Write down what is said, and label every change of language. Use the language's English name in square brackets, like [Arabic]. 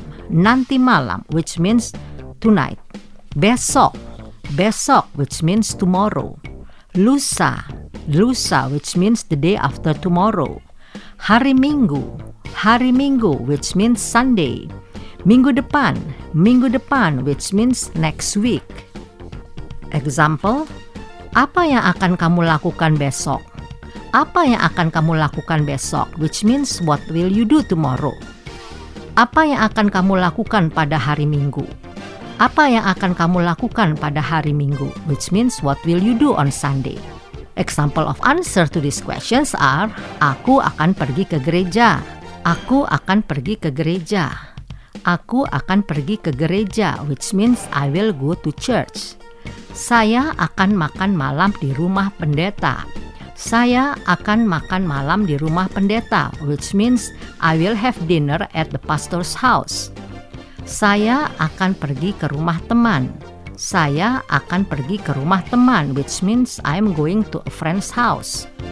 [Indonesian] Nanti malam, [English] which means tonight. [Indonesian] Besok, besok, [English] which means tomorrow. [Indonesian] Lusa, lusa, [English] which means the day after tomorrow. [Indonesian] Hari Minggu, [English] which means Sunday. [Indonesian] Minggu depan, [English] which means next week. [Indonesian] Example, apa yang akan kamu lakukan besok? Apa yang akan kamu lakukan besok? [English] Which means what will you do tomorrow? [Indonesian] Apa yang akan kamu lakukan pada hari Minggu? Apa yang akan kamu lakukan pada hari Minggu? [English] Which means what will you do on Sunday? Example of answer to these questions are, [Indonesian] aku akan pergi ke gereja. Aku akan pergi ke gereja. Aku akan pergi ke gereja, [English] which means I will go to church. [Indonesian] Saya akan makan malam di rumah pendeta. Saya akan makan malam di rumah pendeta, [English] which means I will have dinner at the pastor's house. [Indonesian] Saya akan pergi ke rumah teman. Saya akan pergi ke rumah teman, [English] which means I'm going to a friend's house.